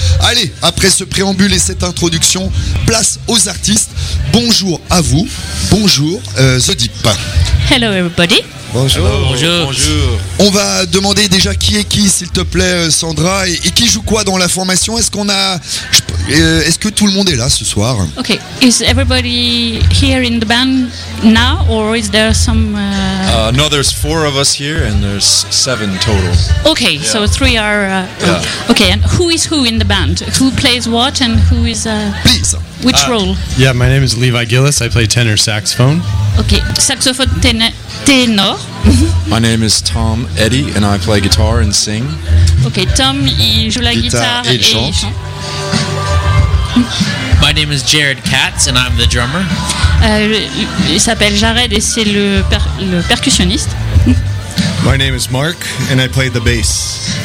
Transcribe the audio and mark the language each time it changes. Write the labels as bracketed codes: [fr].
[fr] Allez, après ce préambule et cette introduction, place aux artistes. Bonjour à vous, bonjour The Deep. [en] Hello everybody. [fr] Bonjour. [en] Hello, bonjour. [fr] On va demander déjà qui est qui, s'il te plaît, Sandra, et qui joue quoi dans la formation. Est-ce qu'on a, est-ce que tout le monde est là ce soir? [en] Okay, is everybody here in the band now, or is there some? No, there's 4 of us here, and there's 7 total. Okay, yeah. So 3 are. Yeah. Okay, and who is who in the band? Who plays what, and who is? Please. Which role? Yeah, my name is Levi Gillis. I play tenor saxophone. Okay, saxophone tenor. My name is Tom Eddy, and I play guitar and sing. [fr] Okay, Tom, il joue la guitare et chante. [en] My name is Jared Katz, and I'm the drummer. [fr] Il s'appelle Jared, et c'est le percussionniste. [en] My name is Mark, and I play the bass.